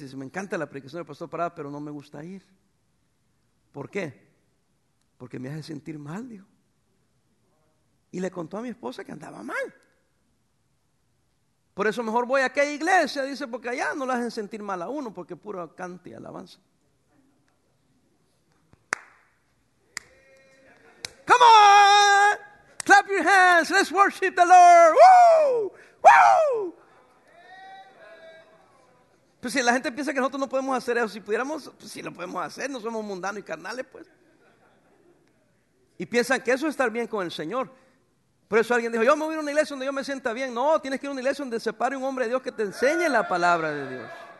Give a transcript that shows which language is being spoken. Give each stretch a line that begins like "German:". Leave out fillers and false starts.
Spanish: Y dice, me encanta la predicación del pastor Parada, pero no me gusta ir. ¿Por qué? Porque me hace sentir mal, dijo. Y le contó a mi esposa que andaba mal. Por eso mejor voy a aquella iglesia, dice, porque allá no la hacen sentir mal a uno, porque puro cante y alabanza.
English: Come on, clap your hands, let's worship the Lord. Woo, woo.
Spanish: Pues si la gente piensa que nosotros no podemos hacer eso, si pudiéramos, pues sí lo podemos hacer, no somos mundanos y carnales, pues. Y piensan que eso es estar bien con el Señor. Por eso alguien dijo, yo me voy a una iglesia donde yo me sienta bien. No, tienes que ir a una iglesia donde se pare un hombre de Dios que te enseñe la palabra de Dios.